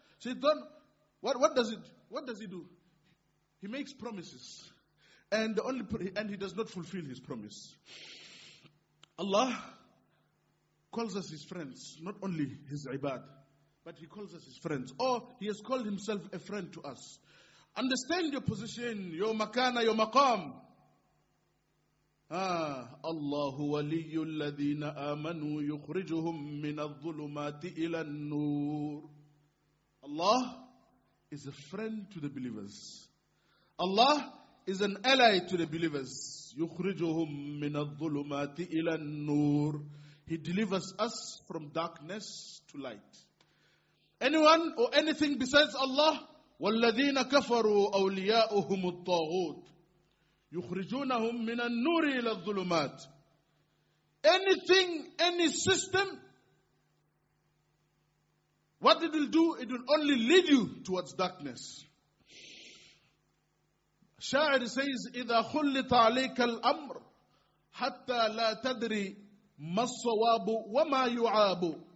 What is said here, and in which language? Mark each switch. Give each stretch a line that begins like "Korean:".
English: Shaitan, what does he do? He makes promises. And he does not fulfill his promise. Allah calls us his friends, not only his ibad, but he calls us his friends. Or he has called himself a friend to us. Understand your position, your makana, your maqam.
Arabic: الله ولي الذين آمنوا يخرجهم من الظلمات إلى النور.
English: Allah is a friend to the believers. Allah is an ally to the believers.
Arabic: يخرجهم من الظلمات إلى النور.
English: He delivers us from darkness to light. Anyone or anything besides Allah,
Arabic: والذين كفروا أولياؤهم الطاغوت. يُخْرِجُونَهُمْ مِنَ النُّورِ إِلَى الظُّلُمَاتِ.
English: Anything, any system, what it will do, it will only lead you towards darkness. Sha'ir says,
Arabic: إِذَا خُلِّطَ عَلَيْكَ الْأَمْرُ حَتَّى لَا تَدْرِي مَا الصَّوَابُ وَمَا يُعَابُ.